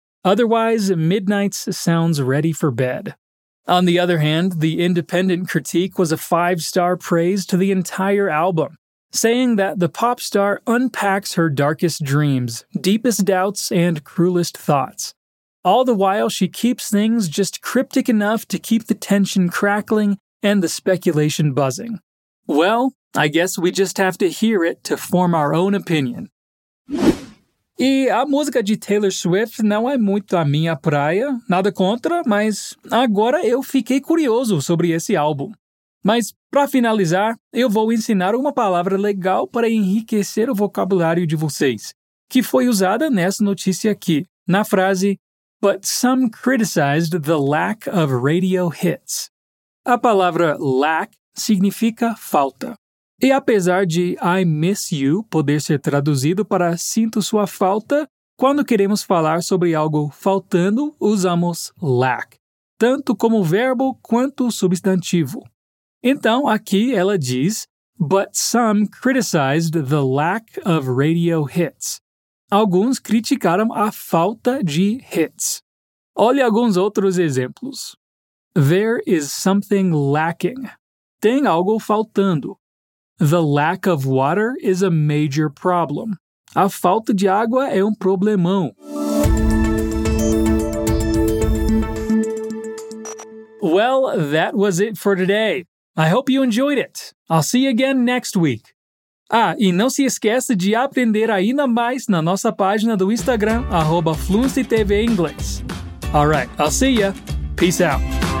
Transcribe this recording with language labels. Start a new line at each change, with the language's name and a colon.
English: Otherwise, Midnights sounds ready for bed. On the other hand, the Independent critique was a 5-star praise to the entire album, saying that the pop star unpacks her darkest dreams, deepest doubts, and cruelest thoughts. All the while, she keeps things just cryptic enough to keep the tension crackling and the speculation buzzing. Well, I guess we just have to hear it to form our own opinion.
Portuguese: E a música de Taylor Swift não é muito a minha praia, nada contra, mas agora eu fiquei curioso sobre esse álbum. Mas, para finalizar, eu vou ensinar uma palavra legal para enriquecer o vocabulário de vocês, que foi usada nessa notícia aqui, na frase
English: "But some criticized the lack of radio hits."
Portuguese: A palavra lack significa falta. E apesar de
English: I miss you
Portuguese: poder ser traduzido para sinto sua falta, quando queremos falar sobre algo faltando, usamos lack, tanto como verbo quanto substantivo. Então, aqui ela diz,
English: but some criticized the lack of radio hits.
Portuguese: Alguns criticaram a falta de hits. Olhe alguns outros exemplos.
English: There is something lacking.
Portuguese: Tem algo faltando.
English: The lack of water is a major problem.
Portuguese: A falta de água é um problemão.
English: Well, that was it for today. I hope you enjoyed it. I'll see you again next week.
Portuguese: Ah, e não se esqueça de aprender ainda mais na nossa página do Instagram, @FluencyTVEnglish.
English: All right, I'll see ya. Peace out.